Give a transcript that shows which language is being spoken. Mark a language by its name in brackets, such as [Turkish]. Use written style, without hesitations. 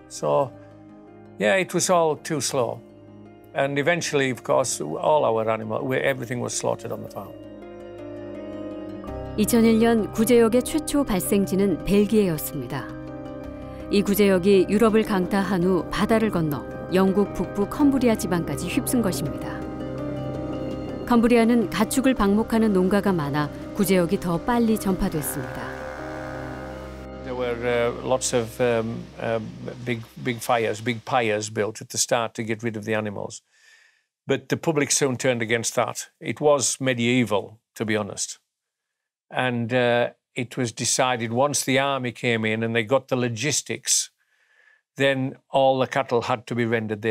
[English] So, yeah, it was all too slow. And eventually, of course, all our animals, everything was slaughtered on the farm. [Korean] 2001년 구제역의 최초 발생지는 벨기에였습니다. 이 구제역이 유럽을 강타한 후 바다를 건너 영국 북부 컴브리아 지방까지 휩쓴 것입니다. 컴브리아는 가축을 방목하는 농가가 많아 구제역이 더 빨리 전파됐습니다. [English] There were lots of big fires, big pyres built at the start to get rid of the animals. But the public soon turned against that. It was medieval, to be honest. And it was decided once the army came in and they got the logistics, then all the cattle had to be rendered.